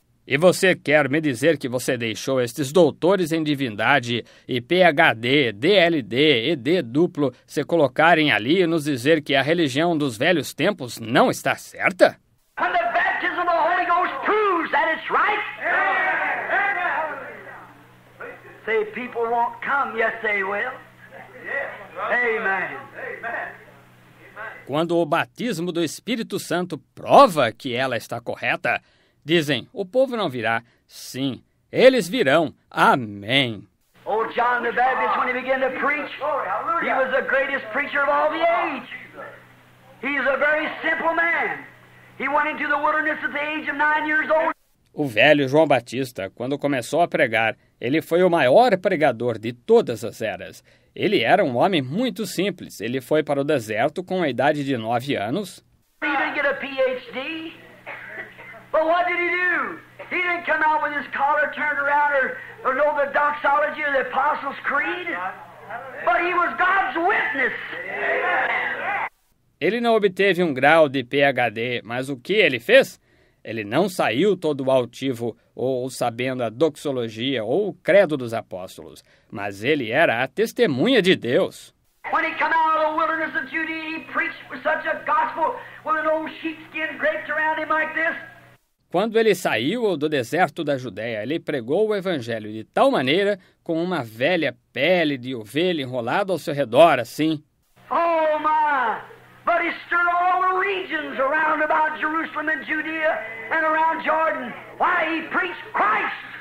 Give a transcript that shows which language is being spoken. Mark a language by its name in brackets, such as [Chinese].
[Portuguese] E você quer me dizer que você deixou estes doutores em divindade e PhD, DLD e D duplo se colocarem ali e nos dizer que a religião dos velhos tempos não está certa? [English] When the baptism of the Holy Ghost proves that it's right? Say people won't come, yes they will. Amen. [Portuguese] Quando o batismo do Espírito Santo prova que ela está correta, dizem, o povo não virá. Sim, eles virão. Amém. [English] O John the Baptist, when he began to preach, he was the greatest preacher of all the age. He's a very simple man. He went into the wilderness at the age of 9 years old. [Portuguese] O velho João Batista, quando começou a pregar, ele foi o maior pregador de todas as eras. Ele era um homem muito simples. Ele foi para o deserto com a idade de 9 anos. [English] He didn't get a PhD. But what did he do? He didn't come out with his collar turned around or know the doxology of the Apostles' Creed. But he was God's witness. [Portuguese] Ele não obteve um grau de PhD, mas o que ele fez? Ele não saiu todo altivo ou sabendo a doxologia ou o credo dos apóstolos, mas ele era a testemunha de Deus. [English] When he came out of the wilderness of Judea, he preached with such a gospel with an old sheepskin draped around him like this. [Portuguese] Quando ele saiu do deserto da Judéia, ele pregou o evangelho de tal maneira com uma velha pele de ovelha enrolada ao seu redor, assim. [English] Oh, my! But he stirred all the regions around about Jerusalem and Judea and around Jordan. Why, he preached Christ!